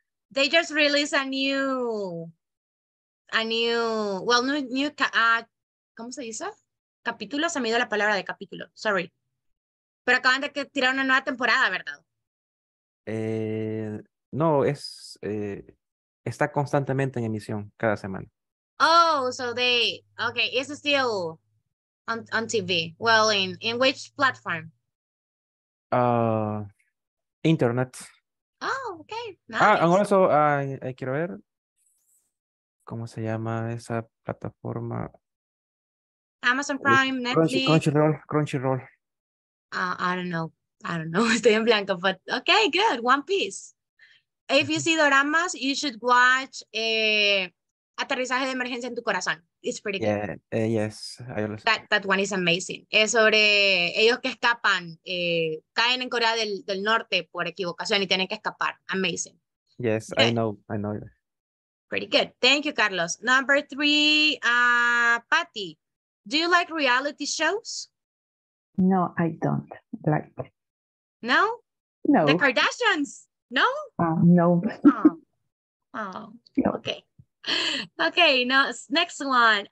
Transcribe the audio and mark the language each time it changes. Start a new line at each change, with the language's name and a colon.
English: They just released
Spanish: ¿cómo se dice? Capítulo, se me dio la palabra de capítulo,
English: sorry.
Spanish: Pero acaban de tirar una nueva temporada, ¿verdad? No, es, está constantemente en emisión, cada semana.
English: Oh, so they, okay, it's still on TV. Well, in which platform? Internet. Oh, okay. Nice.
Spanish: Ah,
English: and also, I
Spanish: quiero ver cómo se llama esa plataforma.
English: Amazon Prime, Netflix. Crunchyroll. I don't know.
Spanish: Estoy en blanco,
English: but okay, good. One Piece. If you see doramas, you should watch Aterrizaje de Emergencia en tu Corazón. It's pretty good. Yeah, yes, I love that one is amazing.
Spanish: Es sobre ellos que escapan, caen en Corea del Norte por equivocación y tienen que escapar. Amazing.
English: Yes, okay. I know. Pretty good. Thank you, Carlos. Number three, Patty, do you like reality shows? No, I don't like. No? No. The Kardashians? No? No. No. Okay. Okay, now next one.